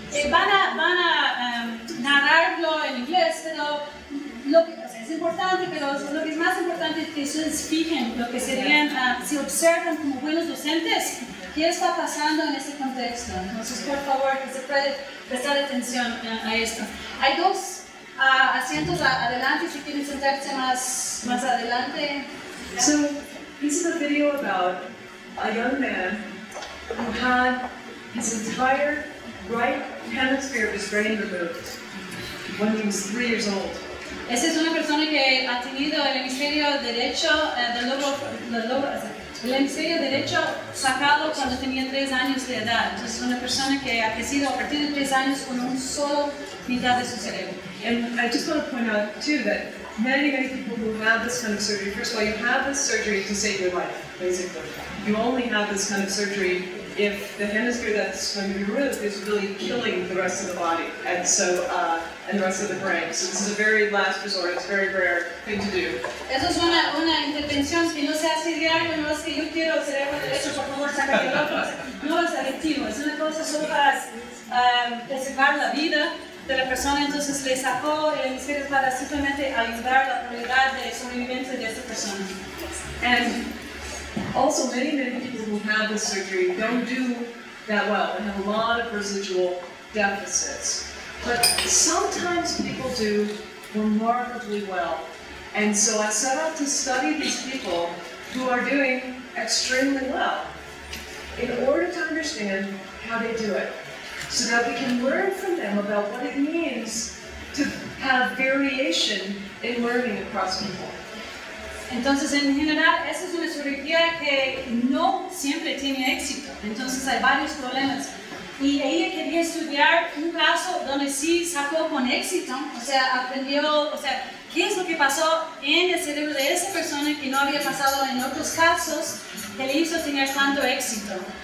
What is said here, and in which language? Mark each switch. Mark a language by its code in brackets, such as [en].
[es] Van a narrarlo en inglés, pero lo que, o sea, es importante, pero lo que es más importante es que ustedes fijen lo que serían, si observan como buenos docentes, qué está pasando en este contexto. Entonces, por favor, que se puede prestar atención a esto. Hay dos asientos adelante, si quieren sentarse más adelante. [en] So, this is a video about a young man who had his entire right hemisphere of his brain removed when he was 3 years old. [es] Esa es una persona que ha tenido el hemisferio derecho, el hemisferio derecho sacado cuando tenía 3 años de edad. Entonces, una persona que ha crecido a partir de 3 años con un solo mitad de su cerebro. [en] And I just want to point out, too, that many, many people who have this kind of surgery, first of all, you have this surgery to save your life, basically. You only have this kind of surgery if the hemisphere that's going to be removed is really killing the rest of the body. And so and the rest of the brain. So this is a very last resort. It's a very rare thing to do. [es] Eso es una intervención. Si no se hace ideal, no es que yo quiero hacer algo de eso, por favor, saca el otro. No es adictivo. Es una cosa solo para preservar la vida de la persona. Entonces le sacó el hemisferio para simplemente ayudar la probabilidad de sobrevivencia de esta persona. [en] And also, many, many people who have this surgery don't do that well and have a lot of residual deficits. But sometimes people do remarkably well. And so I set out to study these people who are doing extremely well in order to understand how they do it, so that we can learn from them about what it means to have variation in learning across people. [es] Entonces, en general, esa es una cirugía que no siempre tiene éxito. Entonces, hay varios problemas. Y ella quería estudiar un caso donde sí sacó con éxito. O sea, aprendió, o sea, qué es lo que pasó en el cerebro de esa persona que no había pasado en otros casos que le hizo tener tanto éxito.